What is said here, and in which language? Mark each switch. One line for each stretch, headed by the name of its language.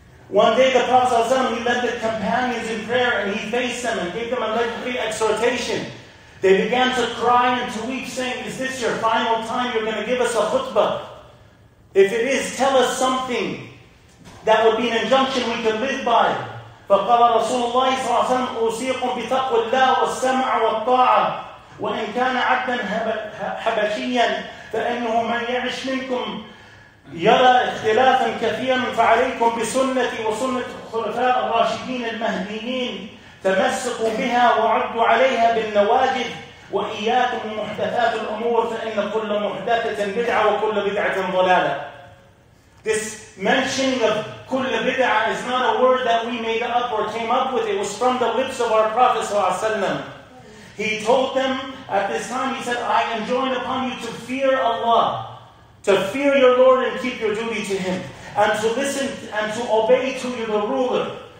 English: One day the Prophet ﷺ, he led the companions in prayer and he faced them and gave them a legendary exhortation. They began to cry and to weep, saying, is this your final time? You're going to give us a khutbah. If it is, tell us something that would be an injunction we could live by.
Arabic: فَقَالَ رَسُولُ اللَّهِ صَلَّى اللَّهُ عَلَيْهِ وَسَلَّمَ أُوصِيكُمْ بِتَقْوَى اللَّهِ وَالسَّمْعِ وَالطَّاعَةِ وَإِنْ كَانَ عَبْدًا حَبَشِيًّا فَإِنَّهُ مَنْ يَعِشْ مِنْكُمْ يرى اختلافا كثيرا فعليكم بسنتي وسنة الخلفاء الراشدين المهديين تمسكوا بها وعدوا عليها بالنواجذ وإياكم محدثات الأمور فإن كل محدثة بدعة وكل بدعة ضلالة.
English: This mentioning of كل بدعة is not a word that we made up or came up with. It was from the lips of our Prophet صلى الله عليه وسلم. He told them at this time, he said, I enjoin upon you to fear Allah, to fear your Lord and keep your duty to him, and to listen and to obey to you, the ruler.